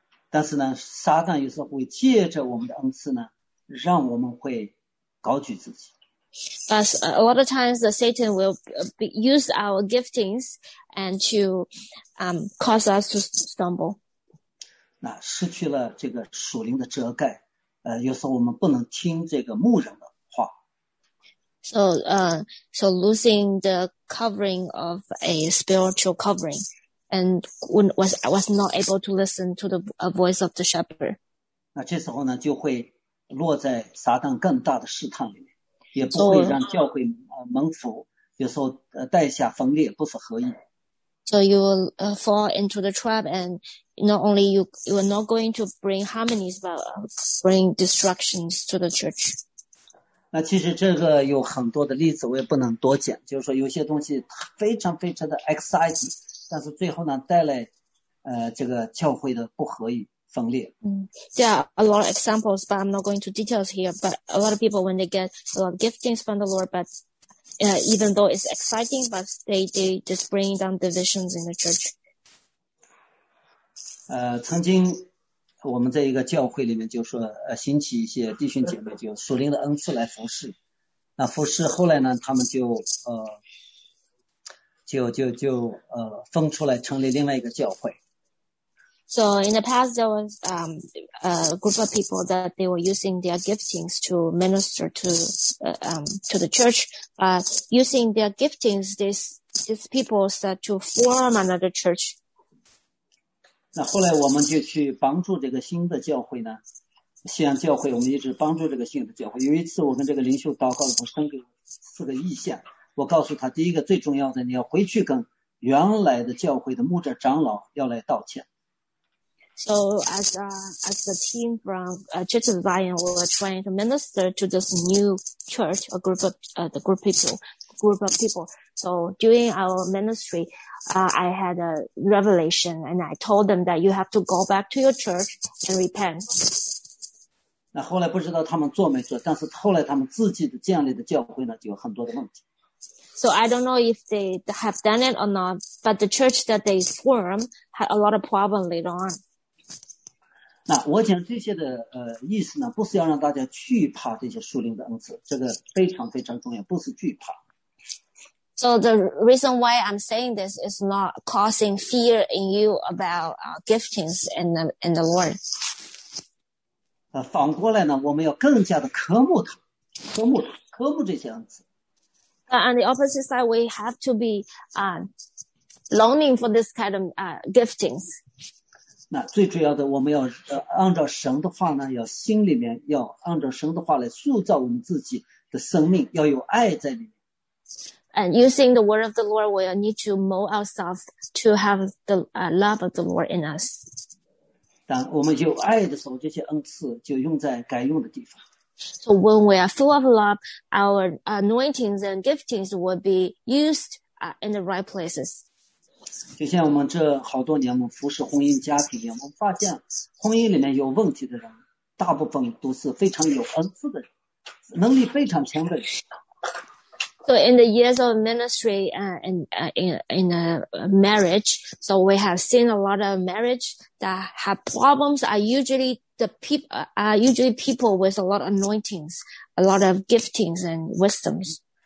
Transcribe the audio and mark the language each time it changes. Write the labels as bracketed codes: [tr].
[zh] 但是呢，撒旦有时候会借着我们的恩赐呢，让我们会高举自己。 [en] But a lot of times, Satan will use our giftings and to cause us to stumble. [zh] 那失去了这个属灵的遮盖，有时候我们不能听这个牧人的话。 [en] So losing the covering of a spiritual covering. And was not able to listen to the voice of the shepherd. [zh] 那这时候呢，就会落在撒旦更大的试探里面，也不会让教会蒙福。有时候带下分裂，不是合一。 [en] So you will fall into the trap, and not only you are not going to bring harmonies, but bring destructions to the church. [zh] 那其实这个有很多的例子，我也不能多讲。就是说，有些东西非常非常的 exciting。但是最后呢，带来这个教会的不合与分裂。 [en] There are a lot of examples, but I'm not going to details here. But a lot of people, when they get a lot of giftings from the Lord, but even though it's exciting, but they just bring down divisions in the church. [zh] 曾经我们在一个教会里面就说，兴起一些弟兄姐妹就属灵的恩赐来服侍。那服侍后来呢，他们就就分出来成立另外一个教会。 [en] So in the past, there was a group of people that they were using their giftings to minister to the church. But using their giftings, these people start to form another church. [zh] 那后来我们就去帮助这个新的教会呢，西安教会，我们一直帮助这个新的教会。有一次我跟这个领袖祷告，我生给我四个意向。我告诉他，第一个最重要的，你要回去跟原来的教会的牧者长老要来道歉。 [en] So as as the team from Church of Zion were trying to minister to this new church, a group of people. So during our ministry, I had a revelation, and I told them that you have to go back to your church and repent. [zh] 那后来不知道他们做没做，但是后来他们自己的建立的教会呢，就有很多的问题。 [en] So I don't know if they have done it or not, but the church that they formed had a lot of problems later on. [zh] 那我讲这些的意思呢，不是要让大家惧怕这些属灵的恩赐，这个非常非常重要，不是惧怕。 [en] So the reason why I'm saying this is not causing fear in you about giftings in the Lord. [zh] 反过来呢，我们要更加的渴慕他，渴慕他，渴慕这些恩赐。 [en] On the opposite side, we have to be longing for this kind of giftings. [zh] 那最主要的，我们要按照神的话呢，要心里面要按照神的话来塑造我们自己的生命，要有爱在里面。 [en] And using the word of the Lord, we need to mold ourselves to have the love of the Lord in us. [zh] 当我们有爱的时候，这些恩赐就用在该用的地方。 [en] So when we are full of love, our anointings and giftings will be used in the right places. [zh] 就像我们这好多年，我们服侍婚姻家庭里面，我们发现婚姻里面有问题的人，大部分都是非常有恩赐的人，能力非常强的人。 [en] So in the years of ministry in a marriage, so we have seen a lot of marriage that have problems are usually people with a lot of anointings, a lot of giftings and wisdoms.